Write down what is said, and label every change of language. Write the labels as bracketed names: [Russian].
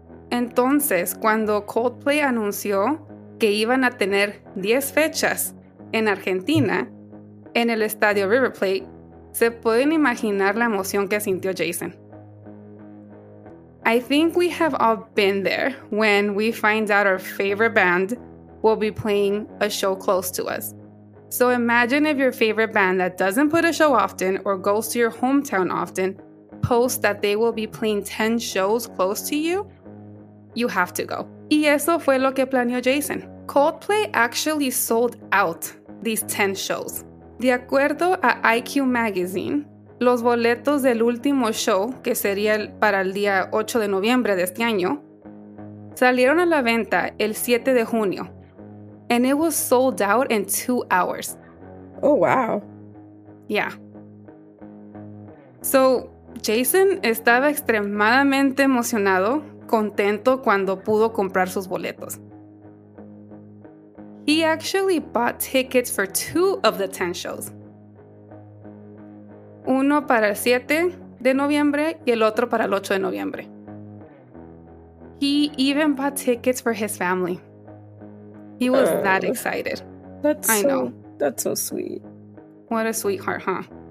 [Spanish] Entonces, cuando Coldplay anunció que iban a tener 10 fechas en Argentina, en el estadio River Plate, se pueden imaginar la emoción que sintió Jason. [English] I think we have all been there when we find out our favorite band will be playing a show close to us. So imagine if your favorite band that doesn't put a show often or goes to your hometown often posts that they will be playing 10 shows close to you. You have to go. [Spanish] Y eso fue lo que planeó Jason. [English] Coldplay actually sold out these 10 shows. [Spanish] De acuerdo a IQ Magazine, los boletos del último show, que sería para el día 8 de noviembre de este año, salieron a la venta el 7 de junio. [English] And it was sold out in 2 hours. Oh, wow. Yeah. [Spanish] So, Jason estaba extremadamente emocionado, contento cuando pudo comprar sus boletos. [English] He actually bought tickets for 2 of the 10 shows. [Spanish] Uno para el 7 de noviembre y el otro para el 8 de noviembre. [English] He even bought tickets for his family. He was that excited. That's so sweet. What a sweetheart, huh?